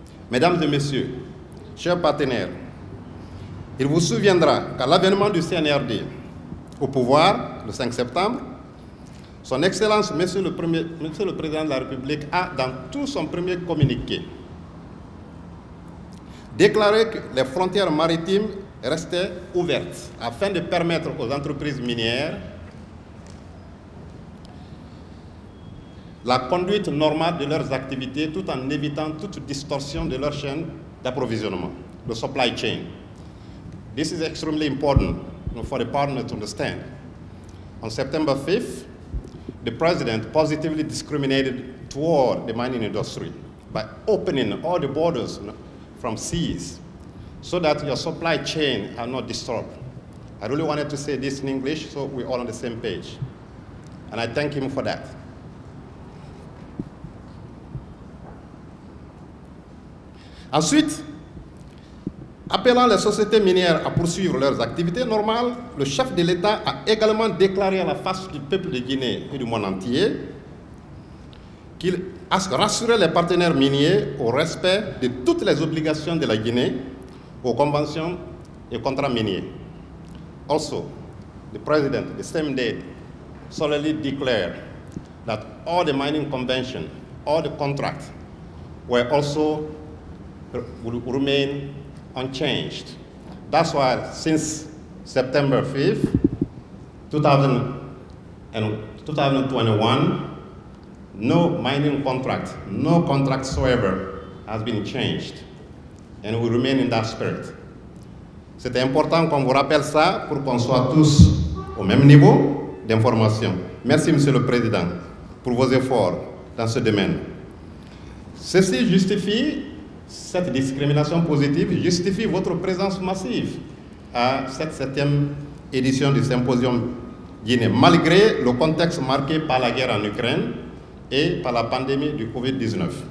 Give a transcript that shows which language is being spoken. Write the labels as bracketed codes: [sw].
[fr] Mesdames et messieurs, chers partenaires, il vous souviendra qu'à l'avènement du CNRD au pouvoir, le 5 septembre, Son Excellence, Monsieur le Président de la République, a, dans tout son premier communiqué, déclaré que les frontières maritimes restaient ouvertes afin de permettre aux entreprises minières la conduite normale de leurs activités tout en évitant toute distorsion de leur chaîne d'approvisionnement, le supply chain. [en] This is extremely important for the partner to understand. On September 5th, the president positively discriminated toward the mining industry by opening all the borders from seas so that your supply chain are not disturbed. I really wanted to say this in English so we're all on the same page. And I thank him for that. [fr] Ensuite, appelant les sociétés minières à poursuivre leurs activités normales, le chef de l'État a également déclaré à la face du peuple de Guinée et du monde entier qu'il rassurait les partenaires miniers au respect de toutes les obligations de la Guinée aux conventions et contrats miniers. [en] Also, the president, the same day, solemnly declared that all the mining conventions, all the contracts, were also will remain unchanged. That's why since September 5th, 2021, no mining contract, no contract soever has been changed. And we remain in that spirit. [fr] C'est important qu'on vous rappelle ça pour qu'on soit tous au même niveau d'information. Merci, Monsieur le Président, pour vos efforts dans ce domaine. Ceci justifie cette discrimination positive justifie votre présence massive à cette 7e édition du symposium Guinée, malgré le contexte marqué par la guerre en Ukraine et par la pandémie du Covid-19.